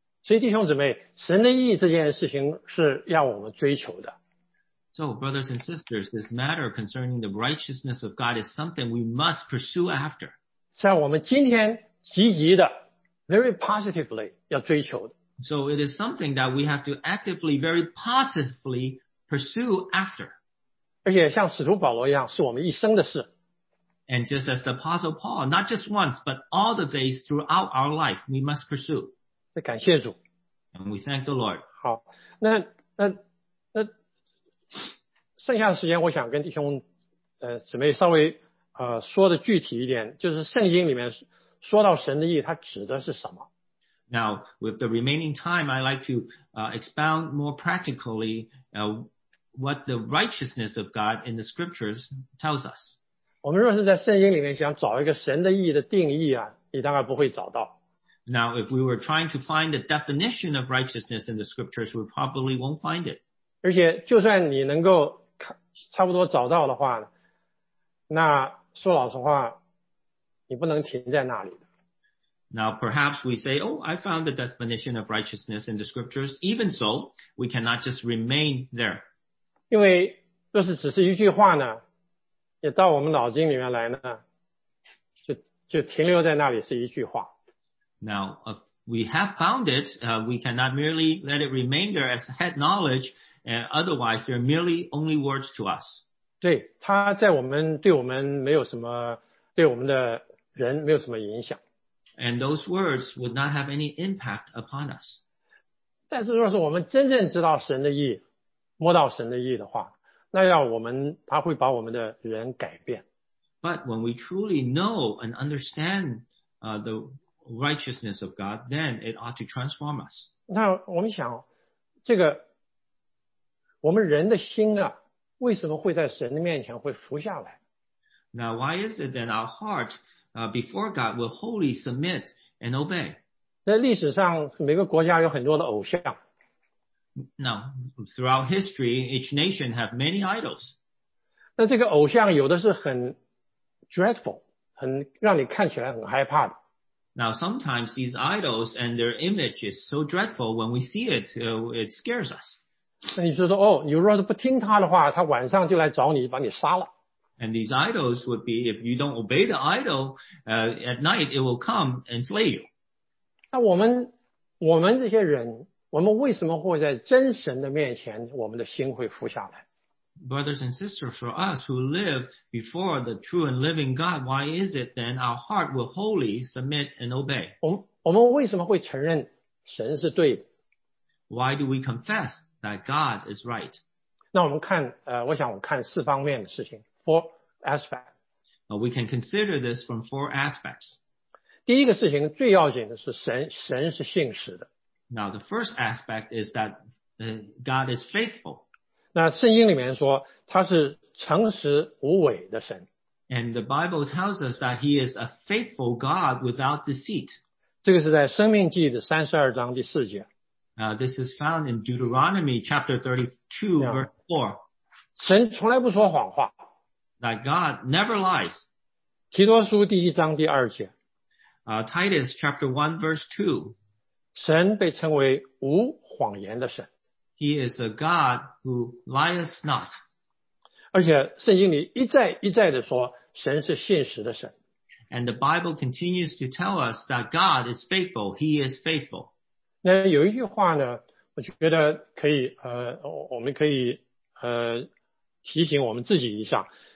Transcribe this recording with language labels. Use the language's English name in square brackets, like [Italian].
[Chinese] 所以弟兄姊妹神的义这件事情是要我们追求的 [English] So, brothers and sisters, this matter concerning the righteousness of God is something we must pursue after. [Chinese] 像我们今天积极的 [English] very positively [Chinese] 要追求的。 [English] So it is something that we have to actively, very positively pursue after. [Chinese] 而且像使徒保罗一样，是我们一生的事。 [English] And just as the Apostle Paul, not just once, but all the days throughout our life, we must pursue. [Chinese] 那感谢主。 [English] And we thank the Lord. [Chinese] 好，那剩下的时间，我想跟弟兄姊妹稍微说的具体一点，就是圣经里面说到神的意，它指的是什么？ [English] Now, with the remaining time, I'd like to expound more practically what the righteousness of God in the scriptures tells us. [Chinese] 我们若是在圣经里面想找一个神的意的定义啊，你大概不会找到。 [English] Now, if we were trying to find the definition of righteousness in the scriptures, we probably won't find it. [Chinese] 而且就算你能够差不多找到的话，那说老实话，你不能停在那里。 [English] Now, perhaps we say, oh, I found the definition of righteousness in the scriptures. Even so, we cannot just remain there. [Chinese] 因为若是只是一句话呢，也到我们脑筋里面来呢，就停留在那里是一句话。 [English] Now, if we have found it, we cannot merely let it remain there as head knowledge, and otherwise they're merely only words to us. [Chinese] 对，它在我们，对我们没有什么，对我们的人没有什么影响。 [English] And those words would not have any impact upon us. [Chinese] 但是若是我们真正知道神的意，摸到神的意的话，那要我们，他会把我们的人改变。 [English] But when we truly know and understand the righteousness of God, then it ought to transform us. [Chinese] 那我们想，这个，我们人的心啊，为什么会在神的面前会服下来？ [English] Now, why is it that our heart, before God will wholly submit and obey? [Chinese] 在历史上，每个国家有很多的偶像。 [English] Now, throughout history, each nation have many idols. [Chinese] 那这个偶像有的是很 dreadful, 很让你看起来很害怕的。 [English] Now, sometimes these idols and their image is so dreadful when we see it, it scares us. [Chinese] 那你说哦，你若是不听他的话，他晚上就来找你，把你杀了。 [English] And these idols would be, if you don't obey the idol, at night it will come and slay you. [Chinese] 那我们这些人，我们为什么会在真神的面前，我们的心会服下来？ [English] Brothers and sisters, for us who live before the true and living God, why is it then our heart will wholly submit and obey? [Chinese] 我们为什么会承认神是对的？ [English] Why do we confess that God is right? [Chinese] 那我们看，我想我看四方面的事情。 [English] Four aspects. Well, we can consider this from four aspects. [Chinese] 第一个事情最要紧的是神是信实的。 [English] Now, the first aspect is that God is faithful. [Chinese] 那圣经里面说他是诚实无伪的神。 [English] And the Bible tells us that he is a faithful God without deceit. [Chinese] 这个是在生命记的32章第4节。 [English] This is found in Deuteronomy chapter 32, yeah. verse 4. [Chinese] 神从来不说谎话。 [English] That God never lies. [Chinese] 提多书第一章第二节。 [English] Titus chapter 1 verse 2. [Chinese] 神被称为无谎言的神。 [English] He is a God who lies not. [Chinese] 而且圣经里一再一再地说神是信实的神。 [English] And the Bible continues to tell us that God is faithful. He is faithful. [Chinese] 那有一句话呢，我觉得可以我们可以提醒我们自己一下。